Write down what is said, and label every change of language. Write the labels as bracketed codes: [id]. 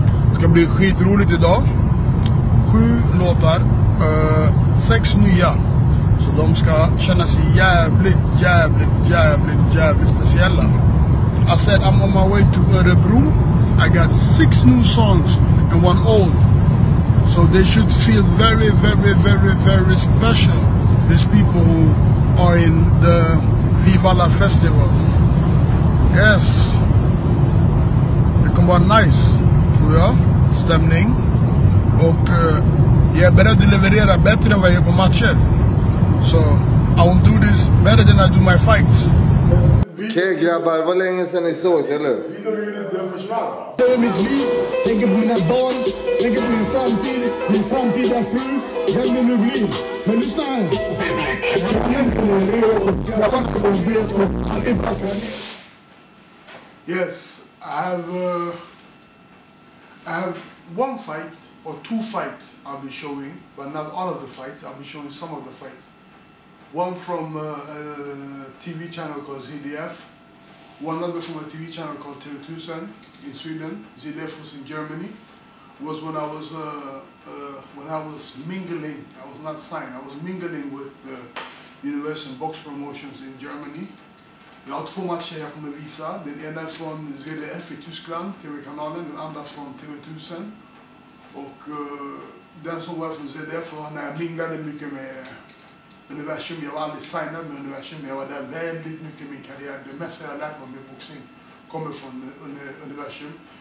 [sv] Det ska bli skitroligt idag. 7 låtar. 6 nya. Så de ska känna sig jävligt, jävligt, jävligt, jävligt speciella. [en] I said I'm on my way to Örebro. I got 6 new songs and 1 old. So they should feel very, very, very, very special. These people who are in the Viva La Festival. Yes. [sv] Det kommer vara nice, tror jag, stämning. Och jag är beredd att leverera bättre än vad jag gör på matcher. [en] So, I will do this better than I do my fights. [sv] Okej, grabbar, vad länge sedan ni sågs, eller hur? Det är mitt liv, tänker på mina barn, tänker på min framtid är fru, vem det nu blir. Men lyssna här. [en] Yes. I have one fight or two fights I'll be showing, but not all of the fights. I'll be showing some of the fights. One from a TV channel called ZDF. One other from a TV channel called Teletusen in Sweden. ZDF was in Germany. Was when I was mingling. I was not signed. I was mingling with the Universal Box Promotions in Germany. [sv] Jag har två matcher jag kommer visa. Den ena är från ZDF i Tyskland, TV-kanalen. Den andra från TV-1000. Och den som var från ZDF, när jag minglade mycket med Universum. Jag var aldrig signad med Universum, men jag var där väldigt mycket i min karriär. Det mesta jag lärt mig med boxning kommer från Universum.